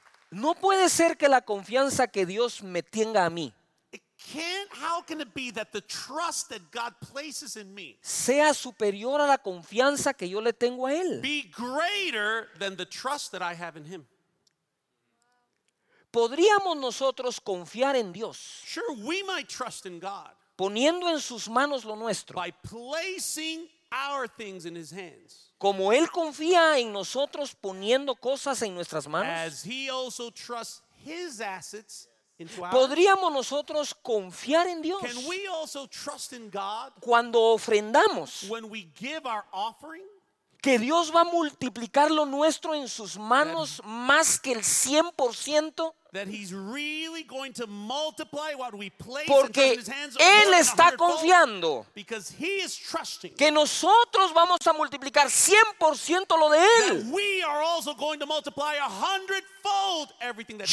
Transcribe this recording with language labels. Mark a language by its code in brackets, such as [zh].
[es] No puede ser que la confianza que Dios me tenga a mí. [en] How can it be that the trust that God places in me [es] sea superior a la confianza que yo le tengo a él? [en] Be greater than the trust that I have in him. [es] Podríamos nosotros confiar en Dios. [en] Sure, we might trust in God. [es] Poniendo en sus manos lo nuestro. [en] By placing our things in his hands. [es] Como él confía en nosotros poniendo cosas en nuestras manos. [en] As he also trusts his assets. [es] ¿Podríamos nosotros confiar en Dios? [en] Can we also trust in God? [es] Cuando ofrendamos, [en] when we give our offering, [es] que Dios va a multiplicar lo nuestro en sus manos más que el 100%. [en] That he's really going to multiply what we place [es] porque [en] into his hands. [es] Él está confiando. [en] Because he is trusting. [es] Que nosotros vamos a multiplicar 100% lo de él. [en] That we are also going to multiply 100-fold everything that